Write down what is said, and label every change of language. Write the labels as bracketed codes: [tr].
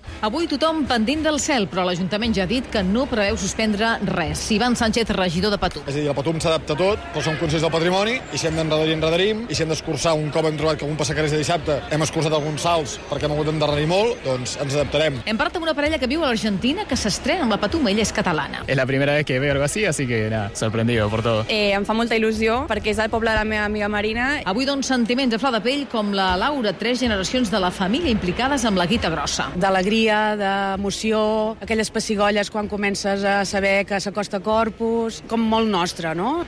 [ca] Avui tothom pendent del cel, però l'Ajuntament ja ha dit que no preveu suspendre res. Ivan Sánchez, regidor de Patum. És a dir, el Patum s'adapta a tot, però som consells del patrimoni, i si hem d'enredarir, enredarim, i si hem d'escurçar un cop hem trobat que algun passacarés de dissabte hem escurçat alguns salts perquè hem hagut d'enredarir molt, doncs ens adaptarem. Hem parlat amb una parella que viu a l'Argentina que s'estrena amb la Patum, ella és catalana. [es] És la primera vez que veo algo así, así que nada, sorprendido por todo. [ca] Em fa molta il·lusió perquè és el poble de la meva amiga Marina. Avui dono sentiments a flor de pell com la Laura, 3 generacions de la família implicades amb la Guita Grossa. D'alegria, d'emoció, aquelles pessigolles quan comences a saber que s'acosta Corpus, com molt nostre, no?